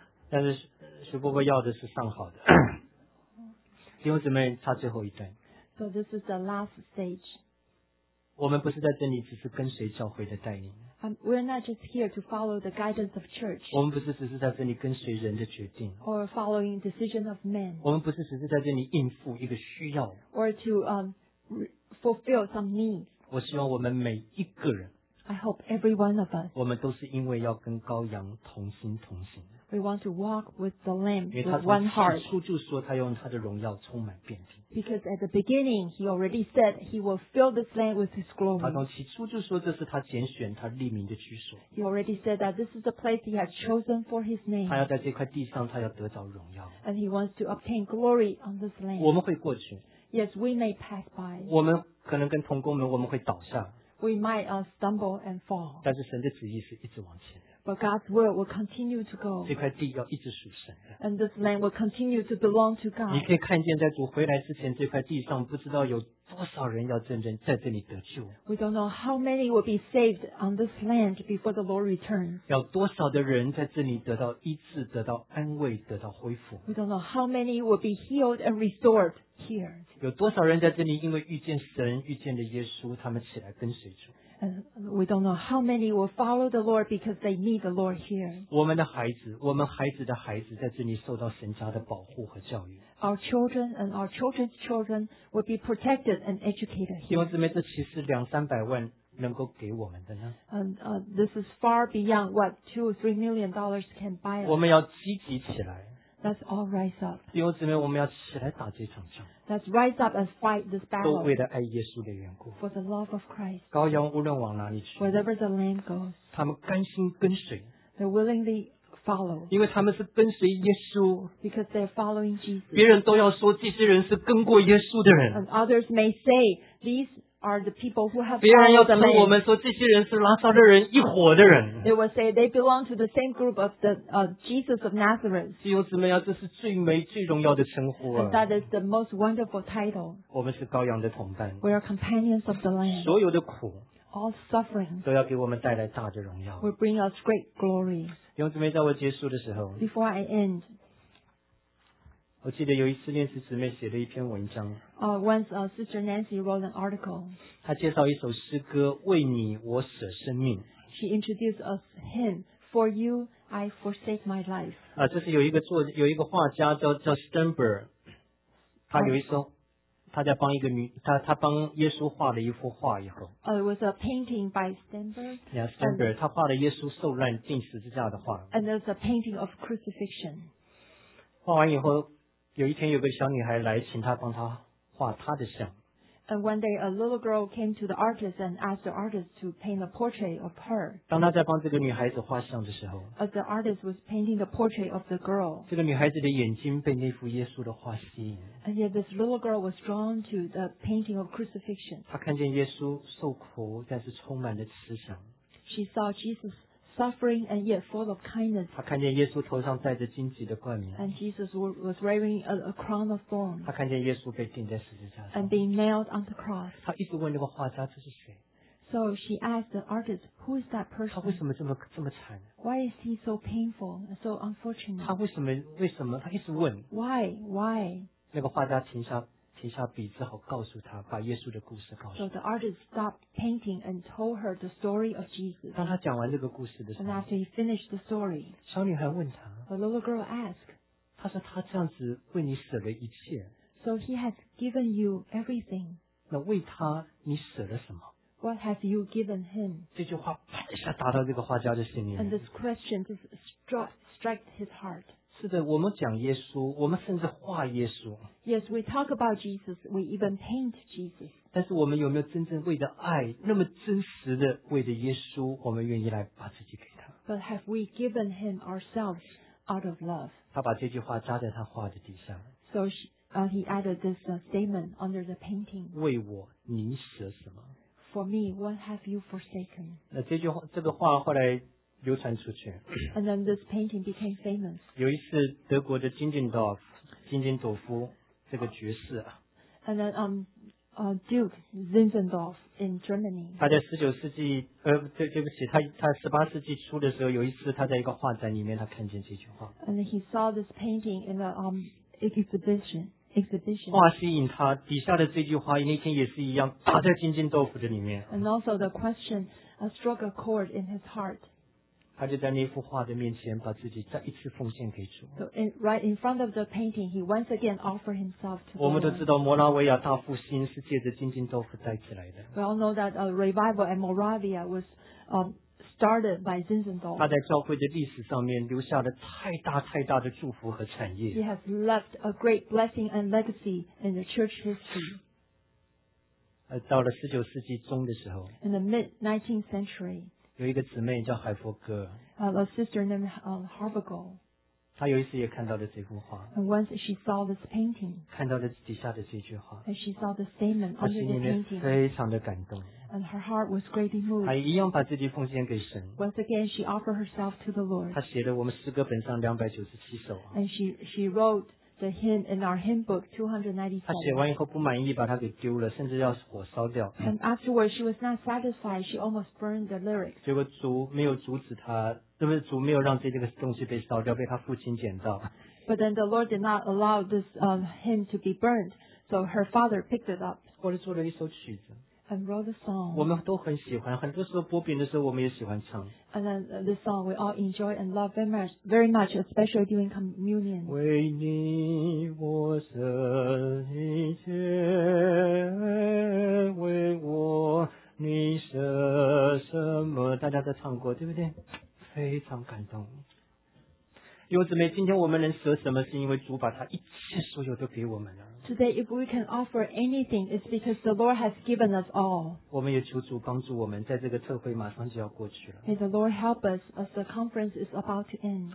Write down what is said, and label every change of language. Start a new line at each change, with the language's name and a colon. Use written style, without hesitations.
Chinese: 但是徐伯伯要的是上好的，弟兄姊妹，差最后一段。
English: So this is the last stage.
Chinese: 我们不是在这里，只是跟随教会的带领。
English: We're not just here to follow the guidance of church.
Chinese: 我们不是只是在这里跟随人的决定。
English: Or following decision of men.
Chinese: 我们不是只是在这里应付一个需要。
English: Or to fulfill some needs.
Chinese: 我希望我们每一个人。
English: I hope every one of us.
Chinese: 我们都是因为要跟羔羊同心同行。
English: We want to walk with the Lamb with one heart.
Chinese: 因为他从起初就说他用他的荣耀充满遍地。
English: Because at the beginning he already said he will fill this land with his glory.
Chinese: 他从起初就说这是他拣选他立名的居所。
English: He already said that this is the place he has chosen for his name.
Chinese: 他要在这块地上他要得到荣耀。
English: And he wants to obtain glory on this land.
Chinese: 我们会过去。
English: Yes, we may pass by.
Chinese: 我们可能跟同工们我们会倒下。
English: We might stumble and fall.
Chinese: 但是神的旨意是一直往前。
English: But God's will will continue to go.
Chinese: 这块地要一直属神。
English: And this land will continue to belong to God.
Chinese: 你可以看见在主回来之前，这块地上不知道有多少人要真正在这里得救。
English: We don't know how many will be saved on this land before the Lord returns.
Chinese: 要多少的人在这里得到医治、得到安慰、得到恢复。
English: We don't know how many will be healed and restored. Here.
Chinese: 有多少人在这里因为遇见神遇见的耶稣他们起来跟随主
English: And we don't know how many will follow the Lord because they need the Lord here
Chinese: 我们的孩子我们孩子的孩子在这里受到神家的保护和教育
English: Our children and our children's children will be protected and educated here
Chinese: 弟兄姊妹这其实两三百万能够给我们的呢
English: And, This is far beyond what $2-3 million can buy us
Chinese: 我们要积极起来
English: Let's all rise up.
Chinese: 弟兄姊妹，我们要起来打这场仗。
English: Let's rise up and fight this battle.
Chinese: 都为了爱耶稣的缘故。
English: For the love of Christ.
Chinese: 羔羊无论往哪里去。
English: Wherever the lamb goes.
Chinese: 他们甘心跟随。
English: They're willingly follow.
Chinese: 因为他们是跟随耶稣。
English: Because they're following Jesus.
Chinese: 别人都要说这些人是跟过耶稣的人。
English: And others may say these. Are the people who have
Chinese: 别人要称我们说这些人是拉撒勒人一伙的人。
English: They will say they belong to the same group of the Jesus of Nazareth.
Chinese: 弟兄姊妹啊，这是最美最荣耀的称呼啊。
English: And that is the most wonderful title.
Chinese: 我们是羔羊的同伴。
English: We are companions of the Lamb.
Chinese: 所有的苦
English: all suffering
Chinese: 都要给我们带来大的荣耀。
English: Will bring us great glory.
Chinese: 弟兄姊妹，在我结束的时候
English: ，Before I end。
Chinese: 我记得有一次，念慈姊妹写了一篇文章。
English: Once Sister Nancy wrote an article.
Chinese: 她介绍一首诗歌，为你我舍生命。
English: She introduced a hymn, For You I Forsake My Life.
Chinese: 这是有一个画家叫 Sternberg， 他有一首，他在帮一个女，他帮耶稣画了一幅画以后。
English: It was a painting by Sternberg.
Chinese: Yeah, Sternberg， 他画了耶稣受难钉十字架的画。
English: And there's a painting of crucifixion.
Chinese: 画完以后。有一天，有个小女孩来请他帮他画他的像。
English: And one day, a little girl came to the artist and asked the artist to paint a portrait of her.
Chinese: 当她在帮这个女孩子画像的时候
English: ，As the artist was painting the portrait of the girl，
Chinese: 这个女孩子的眼睛被那幅耶稣的画吸引。
English: And yet, this little girl was drawn to the painting of crucifixion.
Chinese: 她看见耶稣受苦，但是充满了慈祥。
English: She saw Jesus suffering and yet full of kindness.
Chinese: 她看见耶稣头上戴着荆棘的冠冕。
English: And Jesus was wearing a crown of thorns.
Chinese: 她看见耶稣被钉在十字架上。
English: And being nailed on the cross.
Chinese: 她一直问那个画家这是谁。
English: So she asked the artist, who is that person?
Chinese: 他为什么这么惨？
English: Why is he so painful, so unfortunate?
Chinese: 他为什么？他一直问。
English: Why?
Chinese: 那个画家停下笔之后告诉他把耶稣的故事告诉他。
English: So the artist stopped painting and told her the story of Jesus.
Chinese: 当他讲完这个故事的时候
English: And after he finished the story,
Chinese: 小女孩问他
English: The little girl asked,
Chinese: 他说他这样子为你舍了一切。
English: So he has given you everything.
Chinese: 那为他你舍了什么？
English: What have you given him?
Chinese: 这句话啪一下打到这个画家的心里。
English: And this question just struck his heart.
Chinese: 是的，我们讲耶稣，我们甚至画耶稣。
English: Yes, we talk about Jesus. We even paint Jesus.
Chinese: 但是我们有没有真正为着爱，那么真实的为着耶稣，我们愿意来把自己给他
English: ？But have we given him ourselves out of love?
Chinese: 他把这句话扎在他画的地上。
English: So he added this statement under the painting.
Chinese: 为我，你舍什么？
English: For me, what have you forsaken?
Chinese: 那这句话，这个话后来流传出去。
English: And then this painting became famous.
Chinese: 有一次，德国的金金朵夫这个爵士。
English: And then Duke Zinzendorf in Germany.
Chinese: 他在19世纪，他18世纪初的时候，有一次他在一个画展里面，他看见这句话。
English: And then he saw this painting in an exhibition.
Chinese: 画吸引他，底下的这句话那天也是一样打在金金豆腐的里面。
English: And also the question struck a chord in his heart.
Chinese: 他就在那幅画的面前把自己再一次奉献给主。
English: So right in front of the painting, he once again offered himself to.
Chinese: 我们都知道摩拉维亚大复兴是借着金金豆腐带起来的。
English: We all know that a revival at Moravia was started by Zinzendorf.
Chinese: 他在教会的历史上面留下了太大太大的祝福和产业。
English: He has left a great blessing and legacy in the church history.
Chinese: 到了19世纪中的时候
English: In the mid-19th century,
Chinese: 有一个姊妹叫海佛格
English: A sister named Harvigal.
Chinese: 她有一次也看到了这幅画。
English: And once she saw this painting.
Chinese: 看到了底下的这句话。
English: And she saw the statement under the painting.
Chinese: 她心里面非常的感动。
English: And her heart was greatly moved.
Chinese: 她一样把自己奉献给神。
English: Once again, she offered herself to the Lord.
Chinese: 她写了我们诗歌本上297首。
English: And she wrote the hymn in our hymn book 294.
Chinese: 她写完以后不满意，把它给丢了，甚至要火烧掉。
English: And afterwards, she was not satisfied. She almost burned the lyrics.
Chinese: 结果主没有阻止她，是不是主没有让这个东西被烧掉，被她父亲捡到
English: ？But then the Lord did not allow this hymn to be burned, so her father picked it up.
Chinese: 或者做了一首曲子。
English: And wrote a song.
Chinese: 我们都很喜欢，很多时候播饼的时候，我们也喜欢唱。
English: And then this song we all enjoy and love very much, especially during communion.
Chinese: 为你我舍一切，为我你舍什么？大家都唱过，对不对？非常感动。弟兄姊妹，今天我们能舍什么，是因为主把他一切所有都给我们了。
English: Today, if we can offer anything, it's because the Lord has given us all.
Chinese: 我们也求主帮助我们，在这个特会马上就要过去了。
English: May the Lord help us as the conference is about to end.